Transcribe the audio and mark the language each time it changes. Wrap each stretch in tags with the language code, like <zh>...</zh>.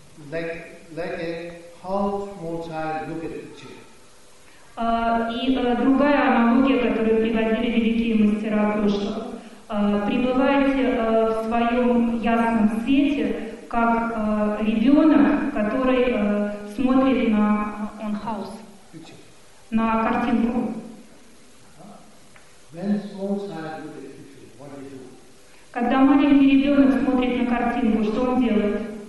<en>Like a how small child look at the picture.</en> <ru>Другая аналогия, которую приводили великие мастера прошлого. Пребывайте в своем ясном свете, как ребенок, который смотрит на on house.</ru> <en>Picture.</en> <ru>На картинку.</ru> <en>When small child look at the picture, what do you do?</en> <ru>Когда маленький ребенок смотрит на картинку, что он делает?</ru>